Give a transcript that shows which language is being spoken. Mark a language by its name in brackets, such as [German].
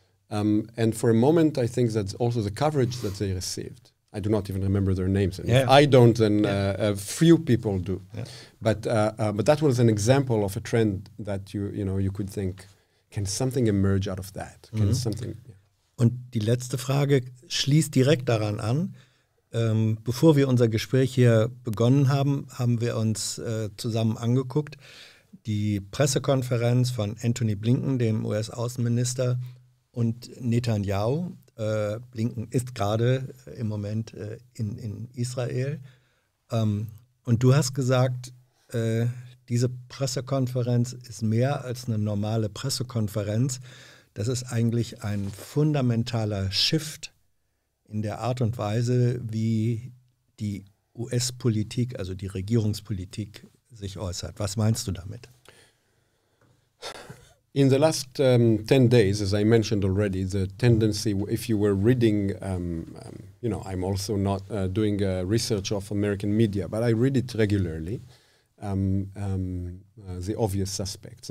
[English] And for a moment, I think that's also the coverage that they received. I do not even remember their names. And yeah. If I don't, then yeah. A few people do. Yeah. But that was an example of a trend that you know, you could think, can something emerge out of that? Can mm-hmm. something? Yeah. [German] Und die letzte Frage schließt direkt daran an. Bevor wir unser Gespräch hier begonnen haben, haben wir uns zusammen angeguckt, die Pressekonferenz von Anthony Blinken, dem US-Außenminister, und Netanyahu. Blinken ist gerade im Moment in Israel. Und du hast gesagt, diese Pressekonferenz ist mehr als eine normale Pressekonferenz. Das ist eigentlich ein fundamentaler Shift in der Art und Weise, wie die US-Politik, also die Regierungspolitik, sich äußert. Was meinst du damit? [English] In the last 10 days, as I mentioned already, the tendency, if you were reading, you know, I'm also not doing research of American media, but I read it regularly, the obvious suspects.